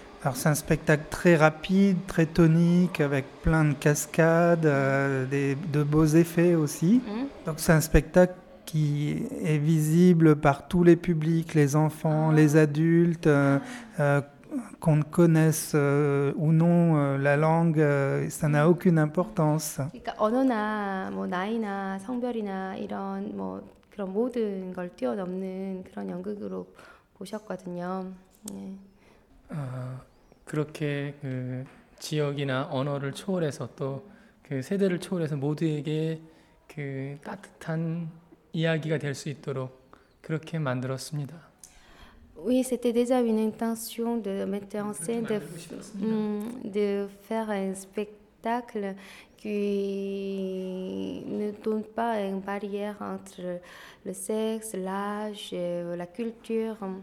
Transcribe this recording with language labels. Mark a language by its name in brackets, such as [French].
[French] Alors c'est un spectacle très rapide, très tonique, avec plein de cascades, de beaux effets aussi. Donc c'est un spectacle qui est visible par tous les publics, les enfants, les adultes, qu'on connaisse ou non la langue, ça n'a aucune importance. [Korean] 그러니까 언어나 뭐 나이나 성별이나 이런 뭐 그런 모든 걸 뛰어넘는 그런 연극으로 보셨거든요. 네. 그렇게 그 지역이나 언어를 초월해서 또그 세대를 초월해서 모두에게 그 따뜻한 이야기가 될수 있도록 그렇게 만들었습니다. [French] Oui, c'était déjà une intention de mettre en [Korean] 그렇게 [French] scène, [Korean] 만들고 싶었습니다. [French] de faire un spectacle qui ne donne pas une barrière entre le sexe, l'âge, la culture.